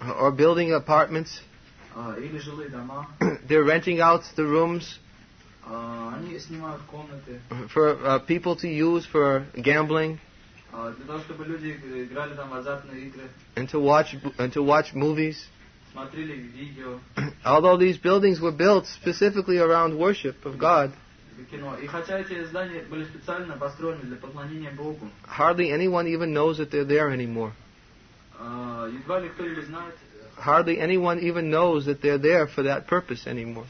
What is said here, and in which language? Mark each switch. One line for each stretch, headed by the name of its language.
English: Or building apartments.
Russian: Или жилые дома.
English: They're renting out the rooms.
Russian: Они снимают комнаты.
English: For people to use for gambling.
Russian: Для того, чтобы люди играли там в азартные игры.
English: And to watch movies.
Russian: Смотрели видео.
English: Although these buildings were built specifically around worship of God.
Russian: И хотя эти здания были специально построены для поклонения Богу.
English: Hardly anyone even knows that they're there anymore.
Russian: Едва ли кто-либо знает.
English: Hardly anyone even knows that they're there for that purpose anymore.